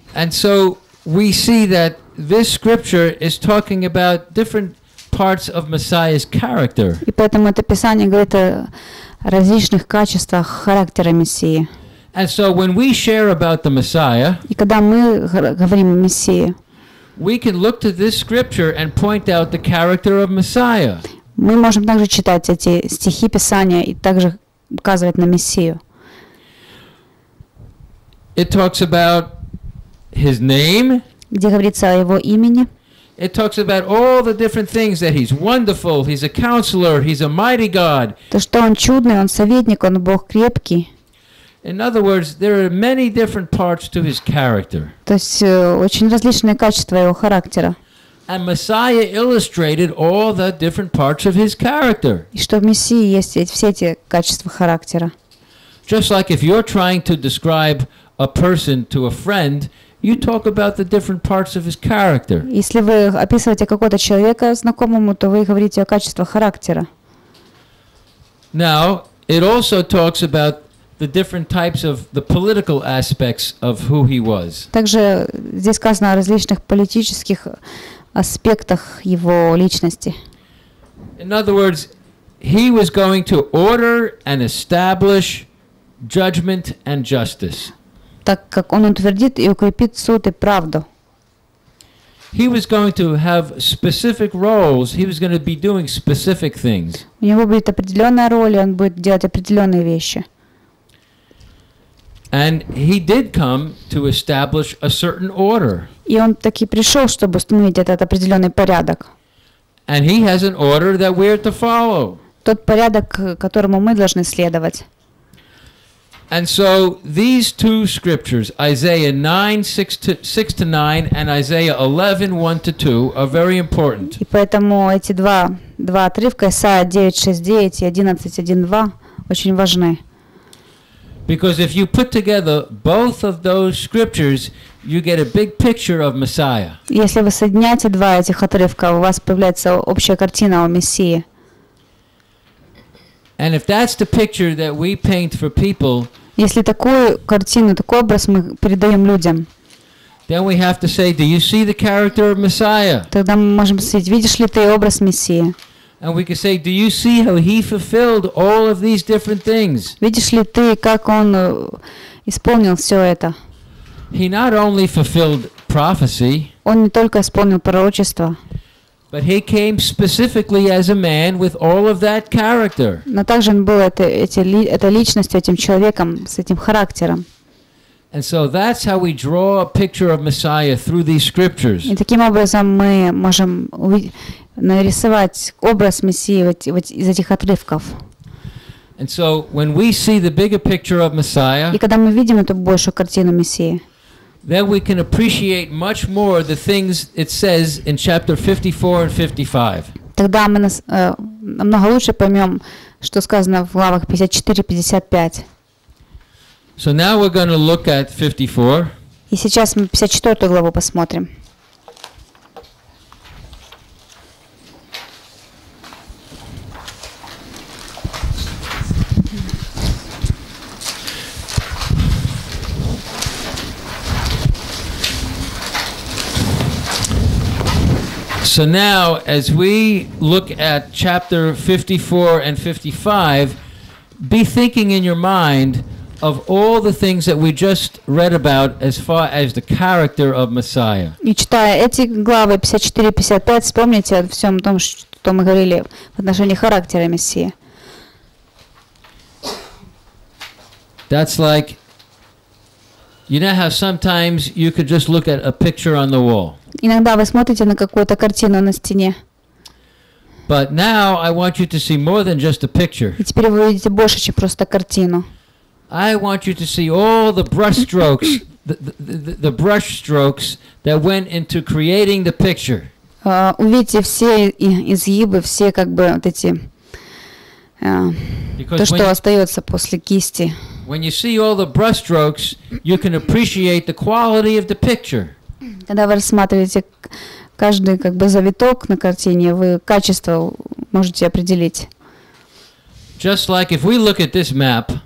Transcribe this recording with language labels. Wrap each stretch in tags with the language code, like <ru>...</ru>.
<en>And so we see that this scripture is talking about different parts of Messiah's character.</en> <ru>И поэтому это Писание говорит о различных качествах характера Мессии.</ru> <en>And so when we share about the Messiah,</en> <ru>и когда мы говорим о Мессии,</ru> <en>we can look to this scripture and point out the character of Messiah.</en> <ru>Мы можем также читать эти стихи Писания и также указывать на Мессию.</ru> <en>It talks about his name.</en> <ru>Где говорится о его имени?</ru> <en>It talks about all the different things that he's wonderful, he's a counselor, he's a mighty God.</en> <ru>То, что он чудный, он советник, он Бог крепкий.</ru> <en>In other words, there are many different parts to his character.</en> <ru>То есть очень различные качества его характера.</ru> <en>And Messiah illustrated all the different parts of his character.</en> <ru>И что в Мессии есть все эти качества характера.</ru> <en>Just like if you're trying to describe a person to a friend, you talk about the different parts of his character.</en> <ru>Если вы описываете какого-то человека знакомому, то вы говорите о качествах характера.</ru> <en>Now, it also talks about the different types of the political aspects of who he was.</en> <ru>Также здесь сказано о различных политических аспектах его личности.</ru> <en>In other words, he was going to order and establish judgment and justice.</en> <ru>Так как он утвердит и укрепит суд и правду.</ru> <en>He was going to have specific roles. He was going to be doing specific things.</en> <ru>У него будет определенная роль, и он будет делать определенные вещи.</ru> <en>And he did come to establish a certain order.</en> <ru>И он таки пришел, чтобы установить этот определенный порядок.</ru> <en>And he has an order that we are to follow.</en> <ru>Тот порядок, которому мы должны следовать.</ru> <en>And so these two scriptures, Isaiah 9:6-9 and Isaiah 11:1-2, are very important.</en> <ru>И поэтому эти два отрывка, Исаия 9:6-9 и 11:1-2, очень важны.</ru> <en>Because if you put together both of those scriptures, you get a big picture of Messiah.</en> <ru>Если вы соединяете два этих отрывка, у вас появляется общая картина о Мессии.</ru> <en>And if that's the picture that we paint for people,</en> <ru>если такую картину, такой образ мы передаем людям,</ru> <en>then we have to say, do you see the character of Messiah?</en> <ru>Тогда мы можем спросить, видишь ли ты образ Мессии?</ru> <en>And we can say, do you see how he fulfilled all of these different things?</en> <ru>Видишь ли ты, как он исполнил все это?</ru> <en>He not only fulfilled prophecy,</en> <ru>он не только исполнил пророчество,</ru> <en>but he came specifically as a man with all of that character.</en> <ru>Но также он был этой личностью, этим человеком с этим характером.</ru> <en>And so that's how we draw a picture of Messiah through these scriptures.</en> <ru>И таким образом мы можем нарисовать образ Мессии из этих отрывков.</ru> <en>And so when we see the bigger picture of Messiah,</en> <ru>и когда мы видим эту большую картину Мессии,</ru> <en>then we can appreciate much more the things it says in chapter 54 and 55.</en> <ru>Тогда мы намного лучше поймем, что сказано в главах 54-55.</ru> <en>So now we're going to look at 54.</en> <ru>И сейчас мы 54 главу посмотрим.</ru> <en>So now, as we look at chapter 54 and 55, be thinking in your mind of all the things that we just read about as far as the character of Messiah.</en> <ru>И читая эти главы 54-55, вспомните о всем том, что мы говорили в отношении характера Мессии.</ru> <en>That's like, you know how sometimes you could just look at a picture on the wall.</en> <ru>Иногда вы смотрите на какую-то картину на стене.</ru> <en>But now I want you to see more than just a picture.</en> <ru>И теперь вы видите больше, чем просто картину.</ru> <en>I want you to see all the brush strokes, the brush strokes that went into creating the picture.</en> <ru>Увидите все изгибы, все как бы вот эти то, что остается после кисти.</ru> <en>When you see all the brush strokes, you can appreciate the quality of the picture.</en> <ru>Когда вы рассматриваете каждый как бы завиток на картине, вы качество можете определить.</ru> <en>Just like if we look at this map,</en>